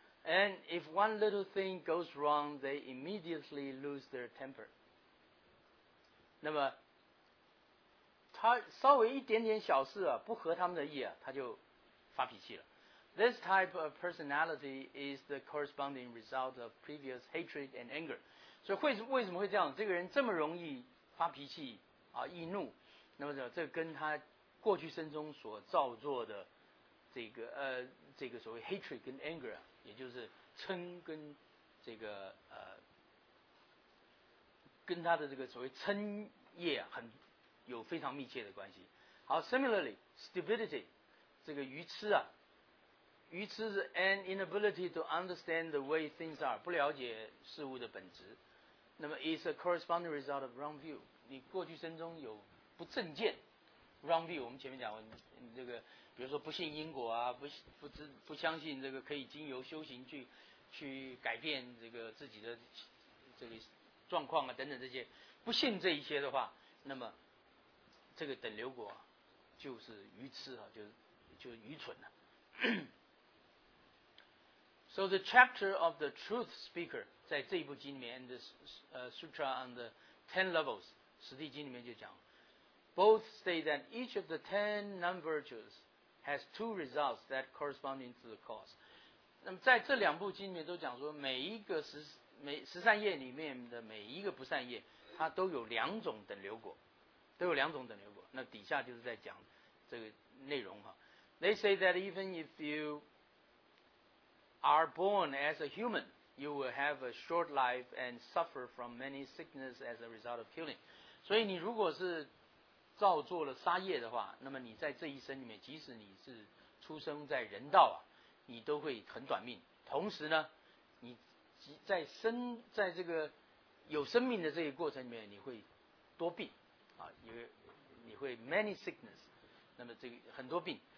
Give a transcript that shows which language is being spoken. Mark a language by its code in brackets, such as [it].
[en] And if one little thing goes wrong, they immediately lose their temper。 [zh] 那么他稍微一点点小事啊，不合他们的意啊，他就发脾气了。 [en] This type of personality is the corresponding result of previous hatred and anger. [zh] 所以为什么会这样？这个人这么容易发脾气啊，易怒，那么这跟他过去生中所造作的这个所谓 hatred 跟 anger， 也就是嗔跟这个跟他的这个所谓嗔业很有非常密切的关系。好 ， [en] similarly stupidity， [zh] 这个愚痴啊。愚痴是 [en] an inability to understand the way things are， [zh] 不了解事物的本质。 [en] 那么 is a corresponding result of wrong view， [zh] 你过去生中有不正见 [en] wrong view。 [zh] 我们前面讲过，你这个比如说不信因果啊， 不相信这个可以经由修行去改变这个自己的这个状况啊等等，这些不信这一些的话，那么这个等流果就是愚痴啊，就愚蠢了、啊。 [en] So the chapter of the truth speaker [zh] 在这一部经里面 [en] and the sutra on the 10 levels [zh] 实地经里面就讲 [en] both state that each of the 10 non-virtues has two results that corresponding to the cause. [zh] 那么在这两部经里面都讲说每十三业里面的每一个不善业它都有两种等流果，都有两种等流果。那底下就是在讲这个内容哈。 [en] They say that even if youare born as a human, you will have a short life and suffer from many sickness as a result of killing. [zh] 所以你如果是造作了杀业的话，那么你在这一生里面，即使你是出生在人道啊，你都会很短命。同时呢，你在这个有生命的这个过程里面，你会多病啊，你会 [en] many sickness， [zh] 那么这个很多病。